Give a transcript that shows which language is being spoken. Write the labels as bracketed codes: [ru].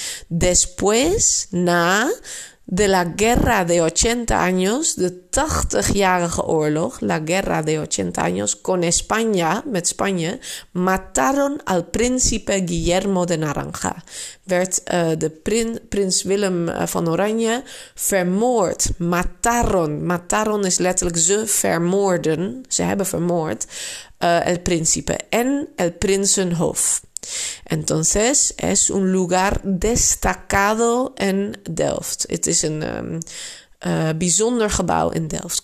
[es] Después, na, de la guerra de 80 años, [nl] de 80-jarige oorlog, [es] la guerra de 80 años con España, [nl] met Spanje, [es] mataron al príncipe Guillermo de Naranja. [nl] Werd de prins Willem van Oranje vermoord. Mataron is letterlijk ze vermoorden. Ze hebben vermoord [es] el príncipe en el [nl] prinsenhof. [es] Entonces es un lugar destacado en Delft. [nl] Het is een bijzonder gebouw in Delft.